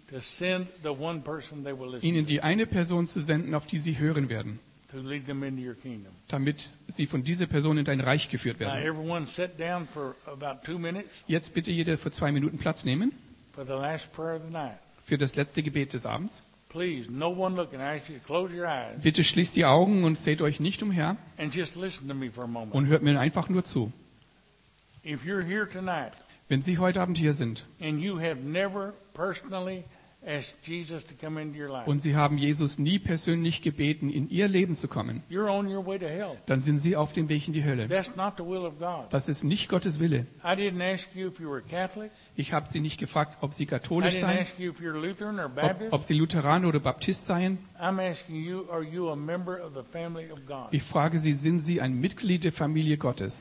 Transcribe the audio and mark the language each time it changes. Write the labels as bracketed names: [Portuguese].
[English] to send the one person they will listen [German] ihnen die eine Person zu senden, auf die sie hören werden, [English] to lead them into your kingdom, [German] damit sie von dieser Person in dein Reich geführt werden. [English] Now everyone sit down for about 2 minutes. [German] Jetzt bitte jeder für 2 Minuten Platz nehmen, [English] for the last prayer of the night, [German] für das letzte Gebet des Abends. [English] Please, no one looking. I ask you to close your eyes. [German] Bitte schließt die Augen und seht euch nicht umher, [English] and just listen to me for a moment. [German] Und hört mir einfach nur zu. [English] If you're here tonight, [German] wenn Sie heute Abend hier sind, [English] and you have never personally ask Jesus to come into your life. [German] Und Sie haben Jesus nie persönlich gebeten, in Ihr Leben zu kommen. [English] You're on your way to hell. [German] Dann sind Sie auf dem Weg in die Hölle. [English] That's not the will of God. [German] Das ist nicht Gottes Wille. [English] I didn't ask you if you were Catholic. [German] Ich habe Sie nicht gefragt, ob Sie katholisch seien. [English] I didn't ask you if you're Lutheran or Baptist. [German] Ob Sie Lutheraner oder Baptist seien. [English] I'm asking you, are you a member of the family of God? [German] Ich frage Sie, sind Sie ein Mitglied der Familie Gottes?